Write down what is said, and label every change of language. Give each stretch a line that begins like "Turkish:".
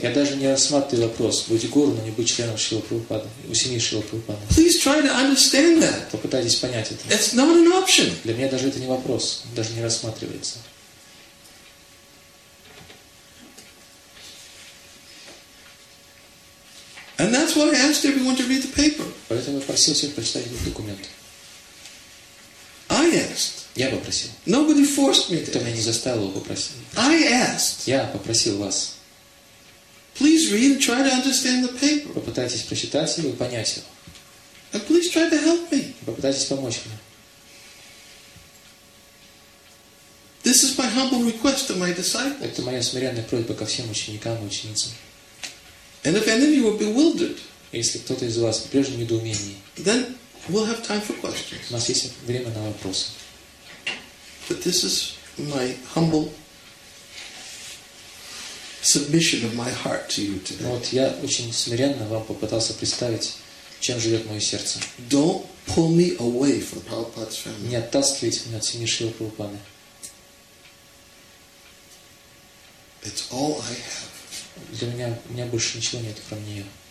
Russian: Я даже не рассматриваю вопрос быть гуру, но не быть членом Шрилы Прабхупады, у семьи Шрилы Прабхупады.
English: Please try to understand that.
Russian: Попытайтесь понять это.
English: It's not an option.
Russian: Для меня даже это не вопрос, даже не рассматривается.
English: And that's why I asked everyone to read the paper.
Russian: Поэтому я просил всех прочитать этот документ.
English: I asked.
Russian: Я попросил.
English: Nobody forced me to.
Russian: Кто меня не заставил его попросить.
English: I asked.
Russian: Я попросил вас.
English: Please read and try to understand the paper.
Russian: Попытайтесь прочитать его и понять его.
English: And please try to help me.
Russian: Попытайтесь помочь мне.
English: This is my humble request to my disciples.
Russian: Это моя смиренная просьба ко всем ученикам и ученицам.
English: And if any of you are bewildered,
Russian: если кто-то из вас прежде недоумений,
English: then we'll have time for questions.
Russian: У нас есть время на вопросы.
English: But this is my humble submission of my heart to you today.
Russian: Вот я очень смиренно вам попытался представить, чем живет мое сердце.
English: Don't pull me away from Prabhupada's family.
Russian: Не оттаскивайте меня от семьи Шрилы Прабхупады.
English: It's all I have.
Russian: Для меня, у меня больше ничего нет, кроме нее.